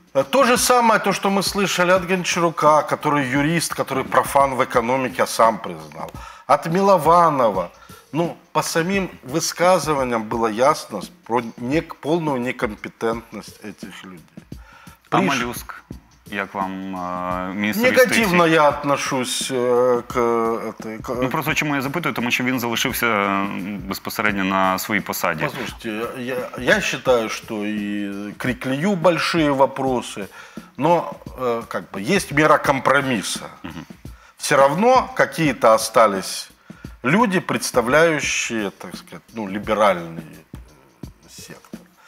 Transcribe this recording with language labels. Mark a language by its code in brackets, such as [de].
[ru] То же самое, то, что мы слышали от Гончарука, который юрист, который профан в экономике, а сам признал. От Милованова. Ну, по самим высказываниям было ясно про полную некомпетентность этих людей. Моллюск, я к вам, министр. Негативно я отношусь к этой... [uk] Ну, просто чому я запитую, тому що він залишився безпосередньо на своїй посаді. [ru] Послушайте, я считаю, что и к Реклею большие вопросы, но есть мера компромисса. Все равно какие-то остались... Люди, представляющие, так сказать, либеральный сектор.